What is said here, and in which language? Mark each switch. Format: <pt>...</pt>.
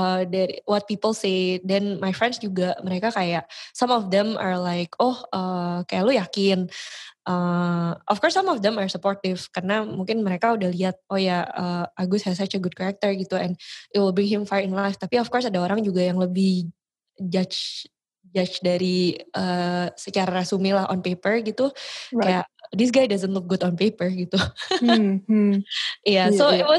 <id>Dari</id> <en>what people say, then my friends</en> <id>juga mereka kayak</id> <en>some of them are like, oh</en> <id>kayak lu yakin,</id> <en>of course some of them are supportive</en> <id>karena mungkin mereka udah lihat oh ya</id> <en>Agus has such a good character gitu and it will bring him far in life.</en> <id>Tapi</id> <en>of course</en> <id>ada orang juga yang lebih judge dari secara resume lah</id> <en>on paper</en> <id>gitu, right.</id> <en>Kayak this guy doesn't look good on paper gitu. Yeah, so yeah.</en>